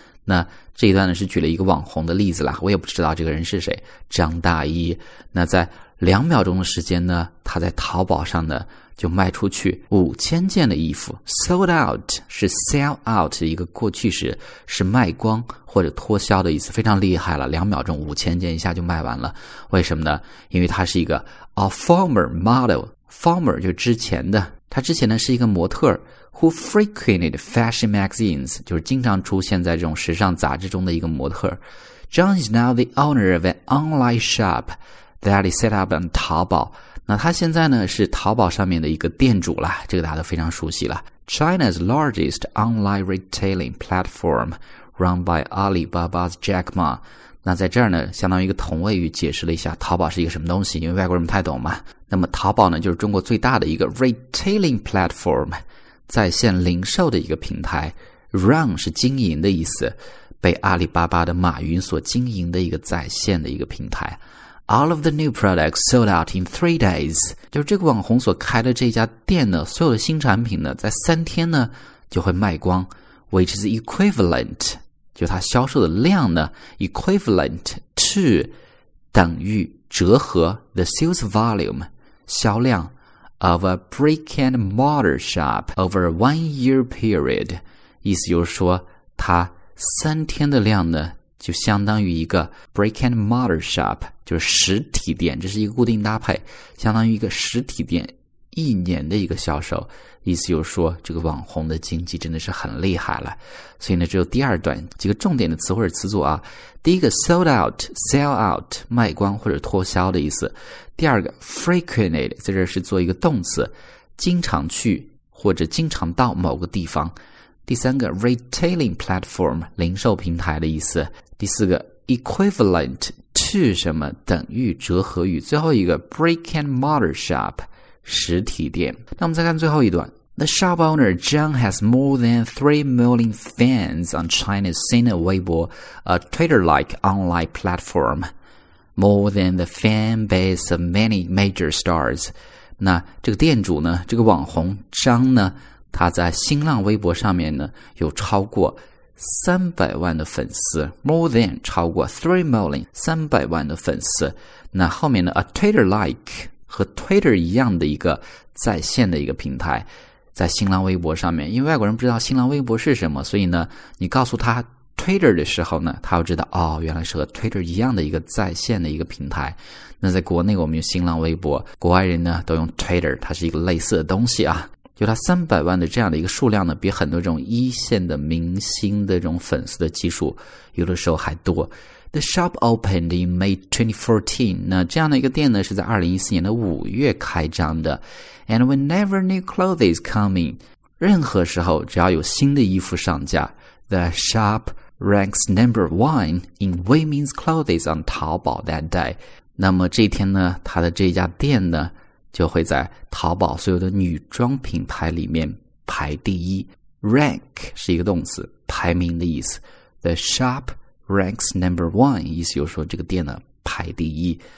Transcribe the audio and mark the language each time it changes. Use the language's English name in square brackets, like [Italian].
[Chinese] 那这一段呢是举了一个网红的例子啦，我也不知道这个人是谁，张大一。那在2秒钟的时间呢，他在淘宝上呢就卖出去5000件的衣服。 Sold out 是 sell out 的一个过去时，是卖光或者脱销的意思，非常厉害了，2秒钟5000件一下就卖完了。为什么呢？因为他是一个 [English] a former model， [Chinese] former 就是之前的，他之前呢是一个模特 [English] who frequented fashion magazines， [Chinese] 就是经常出现在这种时尚杂志中的一个模特。 [English] John is now the owner of an online shop that is set up on 淘宝。 [Chinese] 那他现在呢是淘宝上面的一个店主了，这个大家都非常熟悉了。 [English] China's largest online retailing platform run by Alibaba's Jack Ma。 [Chinese] 那在这儿呢相当于一个同位语，解释了一下淘宝是一个什么东西，因为外国人不太懂嘛。那么淘宝呢就是中国最大的一个 retailing platform， 在线零售的一个平台。 run 是经营的意思，被阿里巴巴的马云所经营的一个在线的一个平台。 [English] All of the new products sold out in 3 days. [Chinese] 就是这个网红所开的这家店呢，所有的新产品呢，在3天呢就会卖光。 [English] Which is equivalent， [Chinese] 就它销售的量呢 [English] ，equivalent to [Chinese] 等于折合 [English] the sales volume [Chinese] 销量 [English] of a brick and mortar shop over a 1 year period。 [Chinese] 意思就是说，它3天的量呢，就相当于一个 brick and mortar shop， 就是实体店，这是一个固定搭配，相当于一个实体店一年的一个销售，意思就是说这个网红的经济真的是很厉害了。所以呢，只有第二段几个重点的词或者词组啊。第一个 sold out, sell out, 卖光或者脱销的意思。第二个 frequented, 在这是做一个动词，经常去或者经常到某个地方。第三个 retailing platform, 零售平台的意思。第四个 equivalent, 去什么等于折合语。最后一个 brick and mortar shop,实体店。那我们再看最后一段。 [English] The shop owner Zhang has more than 3 million fans on China's Sina Weibo, a Twitter-like online platform. More than the fan base of many major stars. [Chinese] 那这个店主呢，这个网红张呢，他在新浪微博上面呢，有超过300万的粉丝。 [English] More than [Chinese] 超过 3 million, 300万的粉丝。那后面呢 [English] a Twitter-like, [Chinese] 和 Twitter 一样的一个在线的一个平台，在新浪微博上面。因为外国人不知道新浪微博是什么，所以呢你告诉他 Twitter 的时候呢，他就知道哦，原来是和 Twitter 一样的一个在线的一个平台。那在国内我们用新浪微博，国外人呢都用 Twitter, 它是一个类似的东西啊。就他300万的这样的一个数量呢，比很多这种一线的明星的这种粉丝的基数有的时候还多。 [English] The shop opened in May 2014. [Chinese] 那这样的一个店呢，是在2014年的5月开张的。 [English] And whenever new clothes come in, [Chinese] 任何时候只要有新的衣服上架， [English] The shop ranks number one in women's clothes on Taobao that day. [Chinese] 那么这一天呢，他的这家店呢，就会在淘宝所有的女装品牌里面排第一。 Rank 是一个动词，排名的意思。 [English] The shopranks number one, [Chinese] 意思就是说这个店呢排第一。